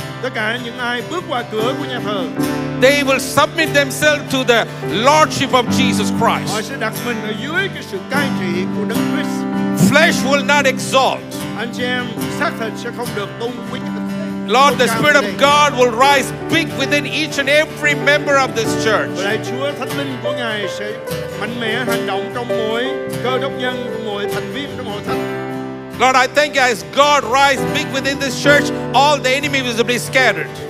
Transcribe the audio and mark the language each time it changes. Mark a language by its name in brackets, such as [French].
[Vietnamese] tất cả những ai bước qua cửa của nhà thờ, [English] they will submit themselves to the lordship of Jesus Christ. [Vietnamese] Họ sẽ đặt mình ở dưới cái sự cai trị của Đấng Christ. [English] Flesh will not exalt. [Vietnamese] Anh chị em, xác thịt sẽ không được tôn vinh. [English] Lord, the Spirit of God will rise big within each and every member of this church. Lord, I thank you as God rise big within this church, all the enemy will be scattered.